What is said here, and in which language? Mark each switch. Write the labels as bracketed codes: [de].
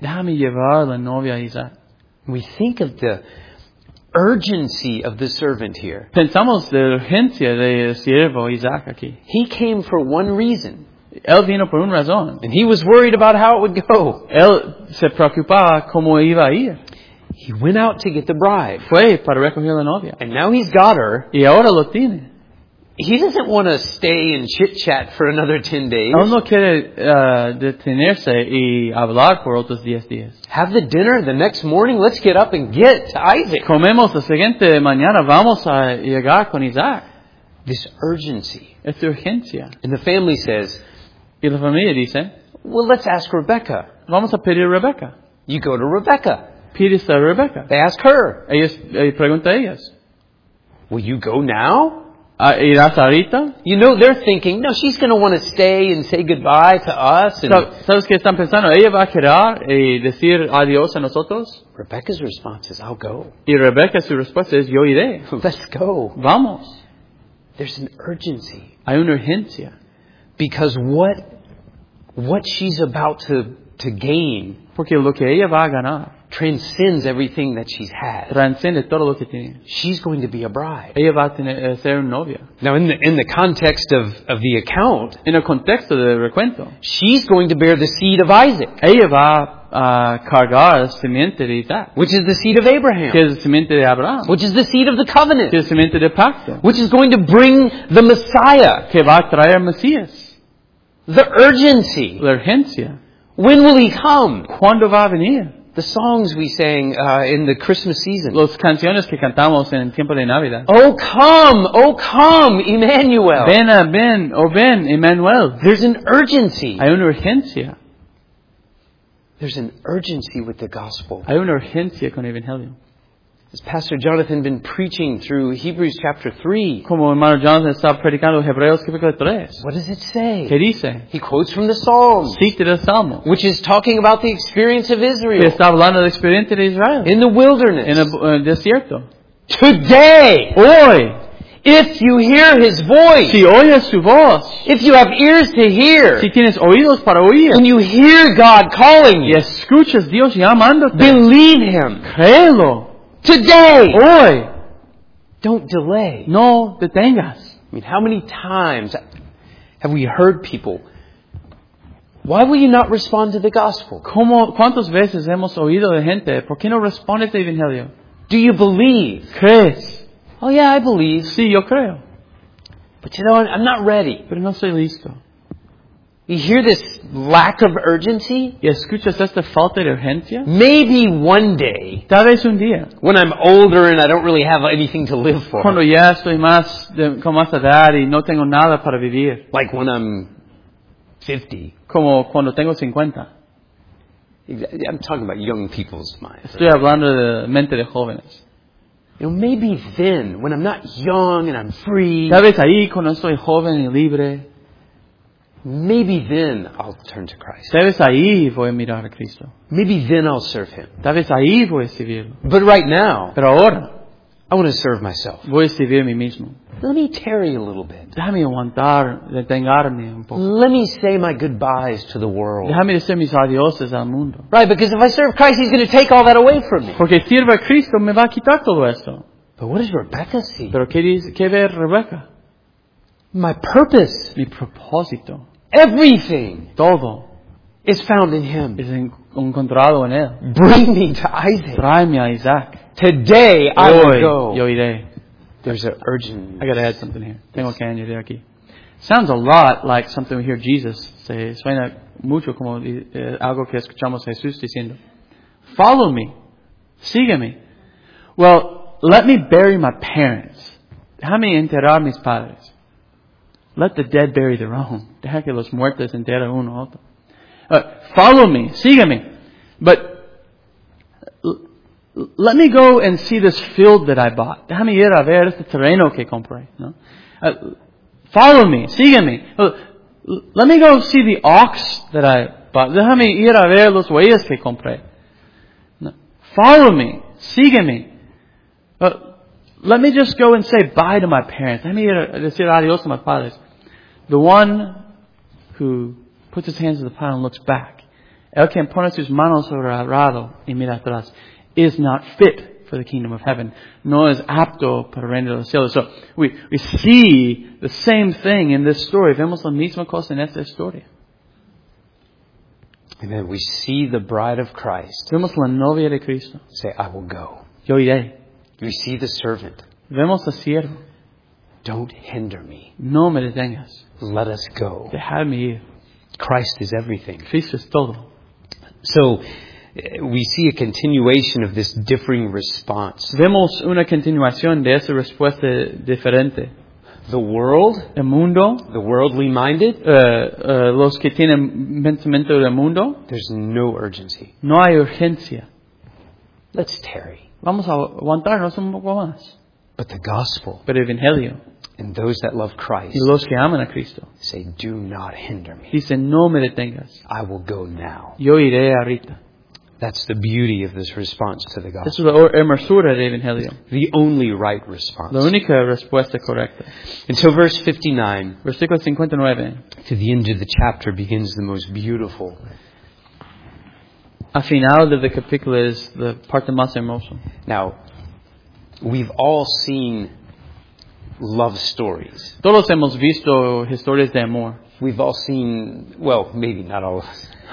[es] Déjame llevar la novia a Isaac. [en] We think of the urgency of the servant here. [es] Pensamos de urgencia de siervo Isaac aquí. [en] He came for one reason. [es] Él vino por una razón. [en] And he was worried about how it would go. [es] Él se preocupaba cómo iba a ir. [en] He went out to get the bride. [es] Fue para recoger la novia. [en] And now he's got her. [es] Y ahora lo tiene. [en] He doesn't want to stay and chit-chat for another 10 days. [es] Él no quiere detenerse y hablar por otros 10 días. [en] Have the dinner the next morning. Let's get up and get to Isaac. [es] Comemos la siguiente mañana. Vamos a llegar con Isaac. [en] This urgency. [es] Es urgencia. [en] And the family says, [es] y la familia dice, [en] well, let's ask Rebecca. [es] Vamos a pedir a Rebecca. [en] You go to Rebecca. [es] Pides a Rebecca. [en] They ask her. [es] Ella pregunta a ellas. [en] Will you go now? [es] ¿Irás ahorita? [en] You know, they're thinking, no, she's going to want to stay and say goodbye to us. [es] ¿Sabes qué están pensando? ¿Ella va a quedar y decir adiós a nosotros? [en] Rebecca's response is, I'll go. [es] Y Rebecca, su respuesta es, yo iré. [en] Let's go. [es] Vamos. [en] There's an urgency. [es] Hay una urgencia. [en] Because what she's about to gain, [es] porque lo que ella va a ganar, [en] transcends everything that she's had. [es] Transcende todo lo que tiene. [en] She's going to be a bride. [es] Ella va a tener, ser una novia. [en] Now in the context of the account, [es] en el contexto del recuento, [en] she's going to bear the seed of Isaac. [es] Ella va cargar la simiente de Isaac, [en] which is the seed of Abraham, [es] que es la simiente de Abraham, [en] which is the seed of the covenant, [es] que es la simiente de pacto, [en] which is going to bring the Messiah, [es] que va a traer Mesías. [en] The urgency. [es] La urgencia. [en] When will he come? [es] ¿Cuándo va a venir? [en] The songs we sang in the Christmas season. [es] Los canciones que cantamos en el tiempo de Navidad. [en] Oh come, Emmanuel. [es] Ven, ven, oh ven, Emmanuel. [en] There's an urgency. [es] Hay una urgencia. [en] There's an urgency with the gospel. [es] Hay una urgencia con el evangelio. [en] As Pastor Jonathan been preaching through Hebrews chapter 3. [es] Como hermano Jonathan está predicando Hebreos capítulo 3. [en] What does it say? [es] ¿Qué dice? [en] He quotes from the Psalms. [es] Cita del Salmo. [en] Which is talking about the experience of Israel. [es] Que está hablando de la experiencia de Israel. [en] In the wilderness. [es] En el desierto. [en] Today. [es] Hoy. [en] If you hear his voice, [es] si oyes su voz, [en] if you have ears to hear, [es] si tienes oídos para oír, [en] when you hear God calling you, [es] y escuchas Dios llamándote, [en] believe him. [es] Créelo. [en] Today. [es] Hoy. [en] Don't delay. [es] No detengas. [en] I mean, how many times have we heard people, why will you not respond to the gospel? [es] ¿Cómo, cuántas veces hemos oído de gente, ¿por qué no respondes al evangelio? [en] Do you believe? [es] ¿Crees? [en] Oh yeah, I believe. [es] Sí, yo creo. [en] But you know, I'm not ready. [es] Pero no soy listo. [en] You hear this lack of urgency? [es] ¿Y escuchas esta falta de urgencia? [en] Maybe one day. [es] Tal vez un día. [en] When I'm older and I don't really have anything to live for. [es] Cuando ya estoy más con más edad y no tengo nada para vivir. [en] Like when I'm 50. [es] Como cuando tengo 50. [en] I'm talking about young people's minds. [es] Estoy hablando de mente de jóvenes. [en] You know, maybe then, when I'm not young and I'm free. [es] Tal vez ahí, cuando soy joven y libre. [en] Maybe then I'll turn to Christ. [es] Tal vez ahí voy a mirar a Cristo. [en] Maybe then I'll serve him. [es] Tal vez ahí voy a servirlo. [en] But right now. [es] Pero ahora. [en] I want to serve myself. [es] Voy a servir a mí mismo. [en] Let me tarry a little bit. [es] Déjame aguantar, detengarme un poco. [en] Let me say my goodbyes to the world. [es] Déjame decir mis adioses al mundo. [en] Right, because if I serve Christ, he's going to take all that away from me. [es] Porque sirvo a Cristo, me va a quitar todo esto. [en] But what does Rebecca see? [es] Pero qué dice, qué ve Rebecca? [en] My purpose. [es] Mi propósito. [en] Everything. [es] Todo. [en] Is found in him. [es] Es encontrado en él. [en] Bring me to Isaac. [es] Tráeme a Isaac. [en] Today I will go. [es] Yo iré. [en] There's an urgent. I gotta add something here. [es] Tengo que añadir aquí. [en] Sounds a lot like something we hear Jesus say. [es] Suena mucho como algo que escuchamos Jesús diciendo. [en] Follow me. [es] Sigue me. [en] Well, let me bury my parents. [es] Déjame enterrar mis padres. [en] Let the dead bury their own. [es] Deja que los muertos enterren uno otro. [en] Follow me. [es] Sigue me. [en] But let me go and see this field that I bought. [es] Déjame ir a ver este terreno que compré. [en] No? Follow me. [es] Sigue me. [en] Let me go see the ox that I bought. [es] Déjame ir a ver los bueyes que compré. [en] No. Follow me. [es] Sigue me. [en] Let me just go and say bye to my parents. Let me [es] decir adiós [en] to my padres. The one who puts his hands in the plow and looks back, [es] el que pone sus manos sobre el arado y mira atrás, [en] is not fit for the kingdom of heaven. [es] No es apto para el reino de los cielos. [en] So we see the same thing in this story. [es] Vemos la misma cosa en esta historia. [en] Amen. We see the bride of Christ. [es] Vemos la novia de Cristo. [en] Say, I will go. [es] Yo iré. [en] We see the servant. [es] Vemos al siervo. [en] Don't hinder me. [es] No me detengas. [en] Let us go. [es] Déjame ir. [en] Christ is everything. [es] Cristo es todo. [en] So we see a continuation of this differing response. [es] Vemos una continuación de esa respuesta diferente. [en] The world, [es] el mundo, [en] the worldly minded, [es] los que tienen pensamiento del mundo. [en] There's no urgency. [es] No hay urgencia. [en] Let's tarry. [es] Vamos a aguantarnos un poco más. [en] But the gospel, [es] pero el evangelio, [en] and those that love Christ, [es] y los que aman a Cristo, [en] say, "Do not hinder me." [es] Dicen, no me detengas. [en] I will go now. [es] Yo iré ahorita. [en] That's the beauty of this response to the gospel. [es] Esa es la hermosura del evangelio. [en] The only right response. [es] La única respuesta correcta. [en] And so, verse 59. [es] Versículo 59. [en] To the end of the chapter begins the most beautiful. [es] Al final de la capítulo es la parte más hermosa. [en] Now, we've all seen love stories. [es] Todos hemos visto historias de amor. [en] We've all seen, well, maybe not all of us.